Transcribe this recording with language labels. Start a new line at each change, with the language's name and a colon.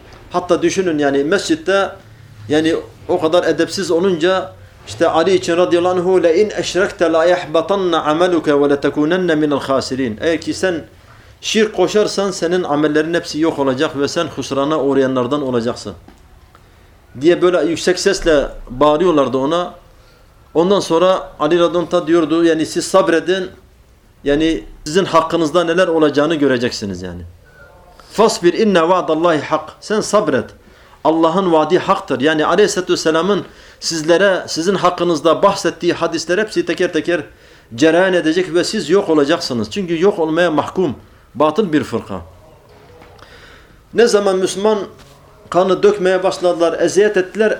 Turkish: Hatta düşünün yani mescitte yani o kadar edepsiz olunca işte Ali için radıyallahu anhu
Arabic: لَاِنْ اَشْرَكْتَ لَا يَحْبَطَنَّ عَمَلُكَ وَلَتَكُونَنَّ مِنَ الْخَاسِرِينَ
Turkish: Eğer ki sen şirk koşarsan senin amellerin hepsi yok olacak ve sen husrana uğrayanlardan olacaksın diye böyle yüksek sesle bağırıyorlardı ona. Ondan sonra Ali radıyallahu anh diyordu yani siz sabredin, yani sizin hakkınızda neler olacağını göreceksiniz yani.
Arabic: فَاسْبِرْ اِنَّ وَعْدَ اللّٰهِ حَقٍ
Turkish: Sen sabret. Allah'ın vaadi haktır. Yani aleyhissalatü vesselamın sizlere, sizin hakkınızda bahsettiği hadisler hepsi teker teker cereyan edecek ve siz yok olacaksınız. Çünkü yok olmaya mahkum. Batıl bir fırka. Ne zaman Müslüman kanı dökmeye başladılar, eziyet ettiler.